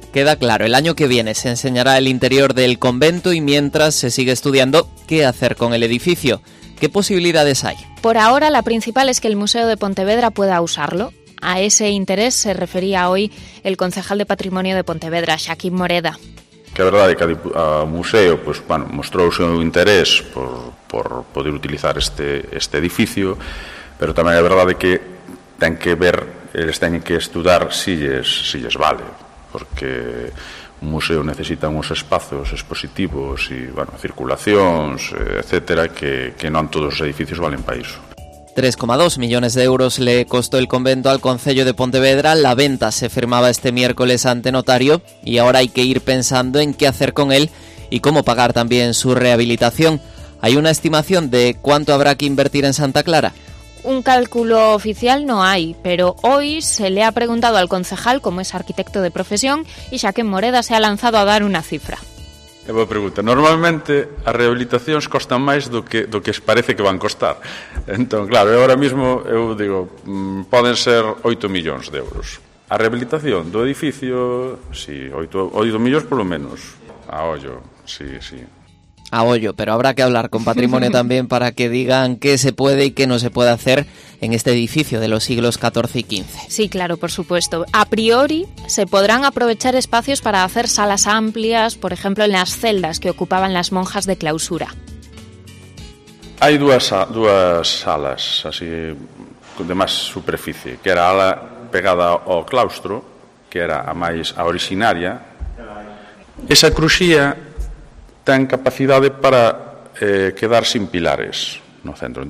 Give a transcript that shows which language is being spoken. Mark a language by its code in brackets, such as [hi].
[es] Queda claro, el año que viene se enseñará el interior del convento y mientras se sigue estudiando qué hacer con el edificio. ¿Qué posibilidades hay? Por ahora la principal es que el Museo de Pontevedra pueda usarlo. A ese interés se refería hoy el concejal de Patrimonio de Pontevedra, Xaquín Moreda. [gl] Que a verdade que o museo pues, bueno, mostrouse un interés por poder utilizar este edificio, pero tamén é verdade que ten que ver, eles ten que estudar se lles vale, porque un museo necesita uns espazos expositivos e, bueno, circulacións, etc., que non todos os edificios valen para iso. [es] 3,2 millones de euros le costó el convento al Concello de Pontevedra, la venta se firmaba este miércoles ante notario y ahora hay que ir pensando en qué hacer con él y cómo pagar también su rehabilitación. ¿Hay una estimación de cuánto habrá que invertir en Santa Clara? Un cálculo oficial no hay, pero hoy se le ha preguntado al concejal, como es arquitecto de profesión, y Xaquín Moreda se ha lanzado a dar una cifra. [gl] É boa pregunta. Normalmente as rehabilitacións costan máis do que parece que van costar. Entón, claro, agora mesmo eu digo, poden ser 8 millóns de euros. A rehabilitación do edificio, si, sí, 8 millóns polo menos, a ollo, sí, sí. [es] A ollo, pero habrá que hablar con Patrimonio también para que digan qué se puede y qué no se puede hacer en este edificio de los siglos XIV y XV. Sí, claro, por supuesto. A priori, se podrán aprovechar espacios para hacer salas amplias, por ejemplo, en las celdas que ocupaban las monjas de clausura. Hay dos salas, así, de más superficie, [gl] que era a ala pegada ao claustro, que era a máis a orixinaria. Esa cruxía ten capacidade para quedar sin pilares no centro.